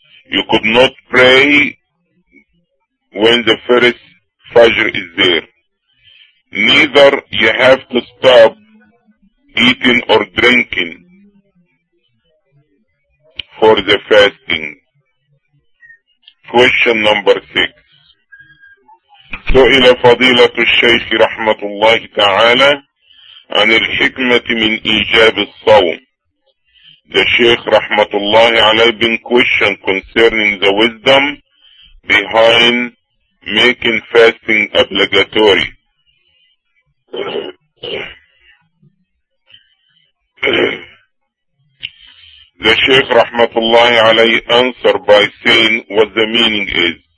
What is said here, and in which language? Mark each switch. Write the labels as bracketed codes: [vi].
[en] You could not pray when the first Fajr is there. Neither you have to stop eating or drinking for the fasting. Question number 6. [ar] سئل فضيلة الشيخ رحمة الله تعالى عن الحكمة من إيجاب الصوم. [en] The Sheikh Rahmatullahi alayhi bin question concerning the wisdom behind making fasting obligatory. The Sheikh Rahmatullahi alayhi answered by saying what the meaning is.